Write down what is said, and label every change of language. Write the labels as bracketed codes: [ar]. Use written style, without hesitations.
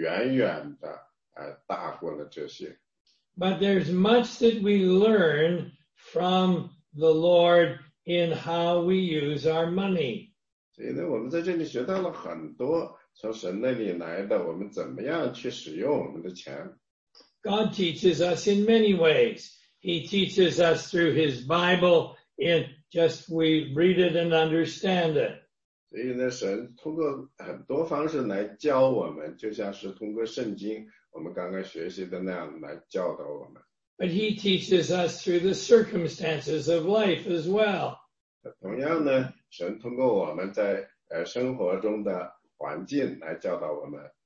[zh] 答案当然是否定的，我们的神远远的大过了这些。 [en] But there's much that we learn from the Lord in how we use our money. [zh] 所以呢，我们在这里学到了很多从神那里来的，我们怎么样去使用我们的钱。 [en] God teaches us in many ways. He teaches us through his Bible in just we read it and understand it. [zh] 所以呢，神通过很多方式来教我们，就像是通过圣经我们刚刚学习的那样来教导我们。 [en] But he teaches us through the circumstances of life as well. [zh] 同样呢，神通过我们在生活中的环境来教导我们。